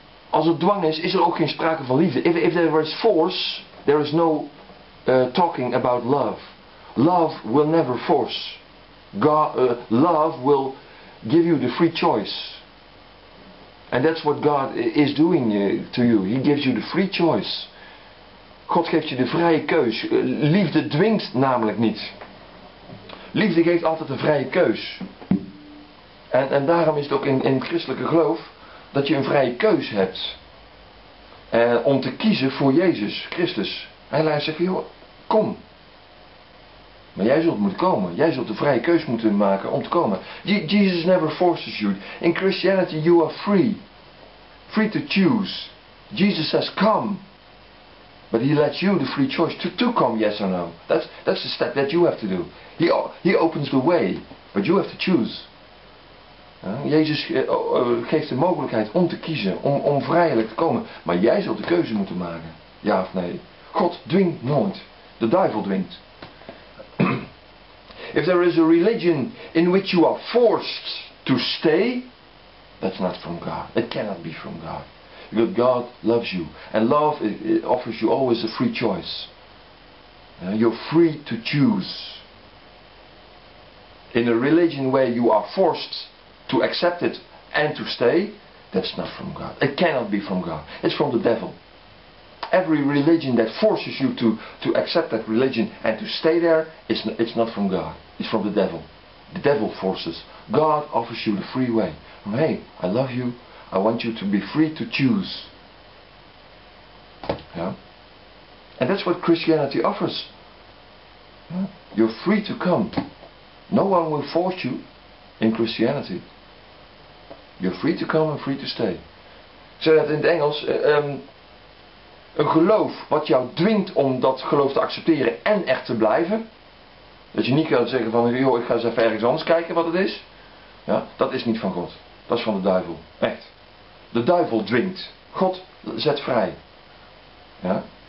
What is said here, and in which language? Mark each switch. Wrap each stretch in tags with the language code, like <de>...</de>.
<nl>Als er dwang is, is er ook geen sprake van liefde.</nl> <en>If there is force, there is no talking about love. Love will never force. Love will give you the free choice. And that's what God is doing to you. He gives you the free choice.</en> <nl>God geeft je de vrije keus. Liefde dwingt namelijk niet. Liefde geeft altijd de vrije keus. En daarom is het ook in het christelijke geloof dat je een vrije keus hebt om te kiezen voor Jezus Christus. En hij zegt, joh, kom. Maar jij zult moeten komen. Jij zult de vrije keus moeten maken om te komen.</nl> <en>Jesus never forces you. In Christianity you are free. Free to choose. Jesus says, come. But he lets you the free choice to come, yes or no. That's the step that you have to do. He opens the way, but you have to choose.</en> <nl>Jezus geeft de mogelijkheid om te kiezen, om vrijelijk te komen. Maar jij zult de keuze moeten maken, ja of nee. God dwingt nooit, de duivel dwingt.</nl> <en>If there is a religion in which you are forced to stay, that's not from God. It cannot be from God. Because God loves you. And love it offers you always a free choice. You're free to choose. In a religion where you are forced to accept it and to stay, that's not from God. It cannot be from God. It's from the devil. Every religion that forces you to accept that religion and to stay there, it's not from God. It's from the devil. The devil forces. God offers you the free way. Hey, I love you. I want you to be free to choose. Yeah? And that's what Christianity offers. Yeah? You're free to come. No one will force you in Christianity. You're free to come and free to stay.</en> <nl>Ik zeg dat in het Engels. Een geloof wat jou dwingt om dat geloof te accepteren en echt te blijven. Dat je niet kan zeggen van, joh, ik ga eens even ergens anders kijken wat het is. Ja, dat is niet van God. Dat is van de duivel. Echt. De duivel dwingt. God zet vrij. Ja?</nl>